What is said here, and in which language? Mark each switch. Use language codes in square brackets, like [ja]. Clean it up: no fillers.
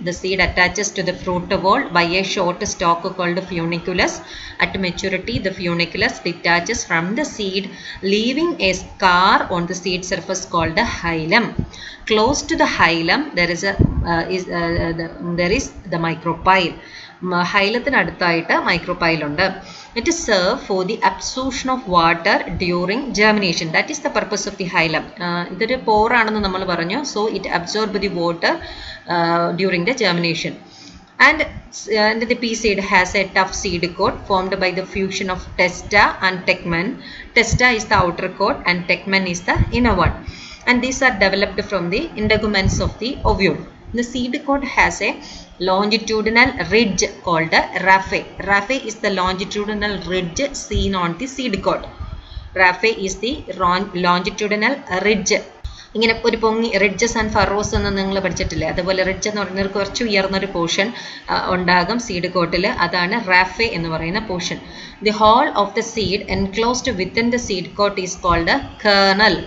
[en] The seed attaches to the fruit wall by a short stalk called funiculus. At maturity, the funiculus detaches from the seed, leaving a scar on the seed surface called the hilum. Close to the hilum, there is the micropyle. [ml] ഹൈലത്തിനടുത്തായിട്ട് മൈക്രോപൈലുണ്ട്. [en] It serve for the absorption of water during germination. That is the purpose of the hilum. [ml] ഇതൊരു പോറാണെന്ന് നമ്മൾ പറഞ്ഞു. [en] So it absorb the water during the germination. And the pea seed has a tough seed coat formed by the fusion of testa and tegmen. Testa is the outer coat and tegmen is the inner one. And these are developed from the integuments of the ovule. The seed coat has a longitudinal ridge called raphe. Raphe is the longitudinal ridge seen on the seed coat. Raphe is the longitudinal ridge. [ml] ഇങ്ങനെ ഒരു പൊങ്ങി ridges and Pharos എന്ന് നിങ്ങൾ പഠിച്ചിട്ടില്ലേ, അതുപോലെ ridge എന്ന് പറയുന്ന കുറച്ച് ഉയർന്നൊരു portion ഉണ്ടാകും സീഡ് കോട്ടിൽ, അതാണ് റാഫെ എന്ന് പറയുന്ന portion. [en] The whole of the seed enclosed within the seed coat is called kernel.